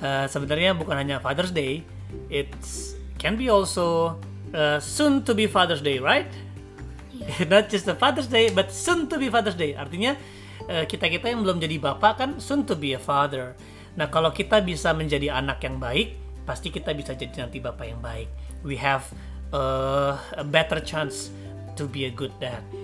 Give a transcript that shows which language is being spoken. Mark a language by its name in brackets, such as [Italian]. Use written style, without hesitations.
[Indonesian] Sebenarnya bukan hanya [English] Father's Day, it can be also soon to be Father's Day, right? Not just the Father's Day, but soon to be Father's Day. [Indonesian] Artinya kita-kita yang belum jadi bapak kan [English] soon to be a father. [Indonesian] Nah, kalau kita bisa menjadi anak yang baik, pasti kita bisa jadi nanti bapak yang baik. [English] We have a better chance to be a good dad.